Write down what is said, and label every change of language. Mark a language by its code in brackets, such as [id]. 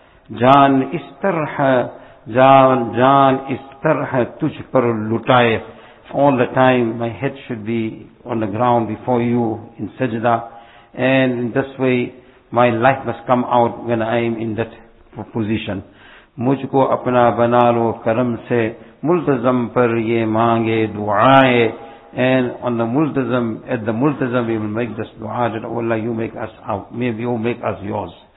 [ur] Jaan is tarah, jaan is tarah tujh par lutaye. [en] All the time, my head should be on the ground before you in sajda. And in this way, my life must come out when I am in that position. [ur] مجھ کو اپنا بنا لو کرم سے, ملتزم پر یہ مانگے دعائے. [en] And on the Multazam, at the Multazam we will make this dua, that O Allah you make us out, may be you make us yours.